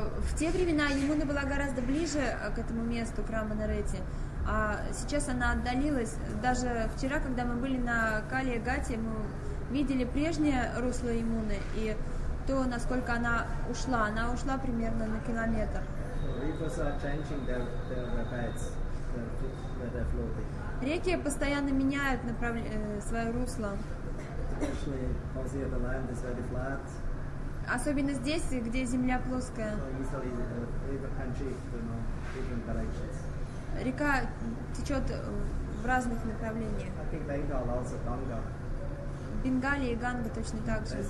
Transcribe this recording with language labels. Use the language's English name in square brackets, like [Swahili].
[Russian] В те времена Ямуна была гораздо ближе к этому месту, к Раманарете, а сейчас она отдалилась. Даже вчера, когда мы были на Калиагате, мы видели прежнее русло Ямуны и то, насколько она ушла. Она ушла примерно на километр. [English] Rivers are changing their beds, where they're floating. [Russian] Реки постоянно меняют свое русло. [English] Actually, the land is very flat. [Russian] Особенно здесь, где земля плоская. [English] So river can shift, you know, different directions. [Russian] Река течет в разных направлениях. [English] I think Bengal also Ganga. [Russian] Бенгали и Ганга точно так же.